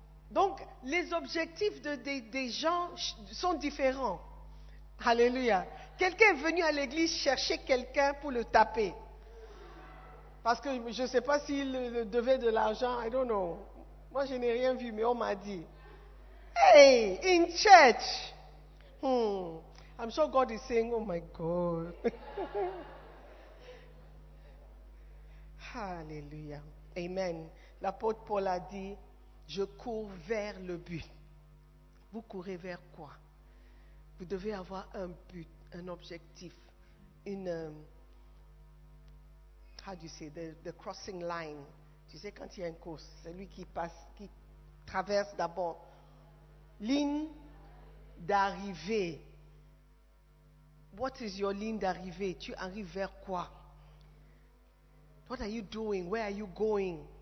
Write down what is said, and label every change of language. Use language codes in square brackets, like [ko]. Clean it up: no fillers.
[fr] Donc, les objectifs des gens sont différents. Alléluia. Quelqu'un est venu à l'église chercher quelqu'un pour le taper. Parce que je ne sais pas s'il devait de l'argent, [en] I don't know. [fr] Moi, je n'ai rien vu, mais on m'a dit. [en] Hey, in church. I'm sure God is saying, oh my God. [fr] Alléluia. Amen. L'apôtre Paul a dit, je cours vers le but. Vous courez vers quoi? Vous devez avoir un but, un objectif, une... [en] How do you say, the crossing line. [fr] Tu sais, quand il y a une course, c'est lui qui passe, qui traverse d'abord ligne d'arrivée. [en] What is your [fr] ligne d'arrivée? Tu arrives vers quoi? [en] What are you doing? Where are you going?